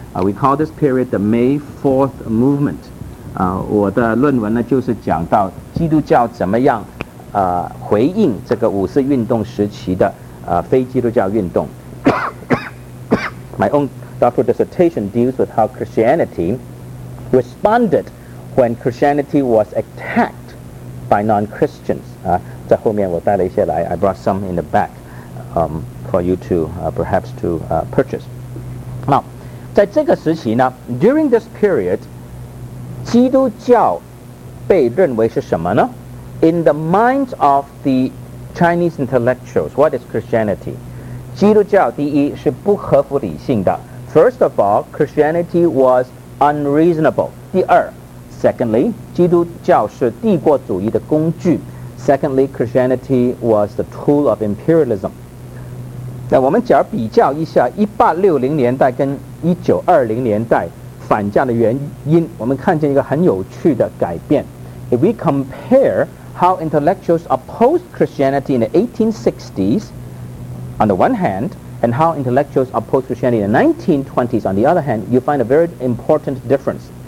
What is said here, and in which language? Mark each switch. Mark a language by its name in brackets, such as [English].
[English] We call this period the May 4th Movement. [Chinese] 我的论文呢就是讲到基督教怎么样。回应这个五四运动时期的非基督教运动。 [English] My own doctoral dissertation deals with how Christianity responded when Christianity was attacked by non-Christians. [Chinese] 在后面我带了一些来 [English] ，I brought some in the back、for you to perhaps to purchase. [Chinese] 那在这个时期呢 ， [English] during this period， [Chinese] 基督教被认为是什么呢？ [English] In the minds of the Chinese intellectuals, what is Christianity? [Chinese] 基督教第一是不合乎理性的。 [English] First of all, Christianity was unreasonable. [Chinese] 第二 , [English] secondly, [Chinese] 基督教是帝国主义的工具。 [English] Secondly, Christianity was the tool of imperialism. [Chinese] 那我们只要比较一下1860年代跟1920年代反教的原因，我们看见一个很有趣的改变。 [English] If we compare... How intellectuals opposed Christianity in the 1860s on the one hand and how intellectuals opposed Christianity in the 1920s on the other hand, you find a very important difference.